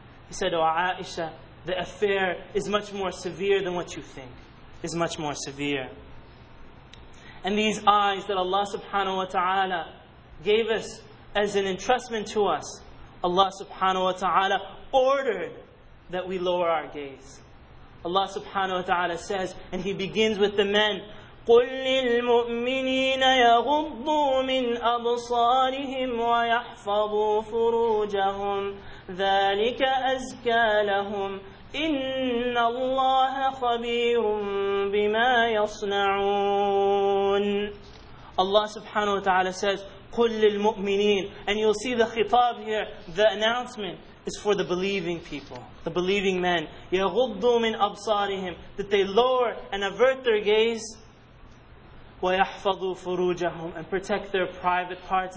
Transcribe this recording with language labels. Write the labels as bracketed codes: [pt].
[en] He said, O Aisha, the affair is much more severe than what you think. Is much more severe. And these eyes that Allah subhanahu wa ta'ala gave us as an entrustment to us, Allah subhanahu wa ta'ala ordered that we lower our gaze. Allah subhanahu wa ta'ala says, and He begins with the men, [ar] قُلْ لِلْمُؤْمِنِينَ يَغُضُّوا مِنْ أَبْصَارِهِمْ وَيَحْفَظُوا فُرُوجَهُمْ ذَلِكَ أَزْكَى لَهُمْ إِنَّ اللَّهَ خَبِيرٌ بِمَا يَصْنَعُونَ. [en] Allah subhanahu wa ta'ala says, [ar] قُلْ لِلْمُؤْمِنِينَ. [en] And you'll see the khitab here, the announcement is for the believing people, the believing men. [ar] يَغُضُّوا مِنْ أَبْصَارِهِمْ, [en] that they lower and avert their gaze. [ar] وَيَحْفَظُوا فُرُوجَهُمْ, [en] and protect their private parts.